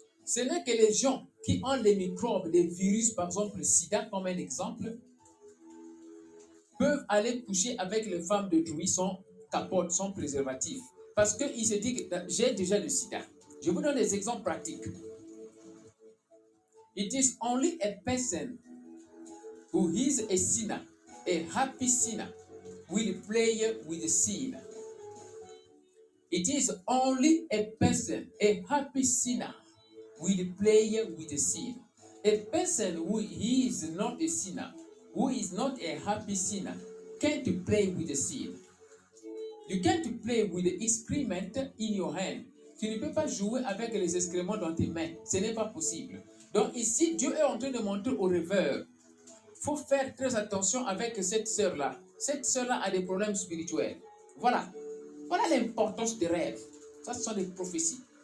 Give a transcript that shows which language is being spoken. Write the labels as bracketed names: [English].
[French] Ce n'est que les gens qui ont les microbes, les virus, par exemple le sida comme un exemple, peuvent aller coucher avec les femmes de Druy sans capote, sans préservatif. Parce qu'ils se disent que j'ai déjà le sida. Je vous donne des exemples pratiques. [English] It is only a person who is a sinner, a happy sinner, will play with sin. It is only a person, a happy sinner, will play with sin. A person who is not a sinner, who is not a happy sinner, can't play with sin. You can't play with the excrement in your hand. [French] Tu ne peux pas jouer avec les excréments dans tes mains. Ce n'est pas possible. Donc ici, Dieu est en train de montrer au rêveur. Il faut faire très attention avec cette sœur-là. Cette sœur-là a des problèmes spirituels. Voilà. Voilà l'importance des rêves. Ça, ce sont des prophéties.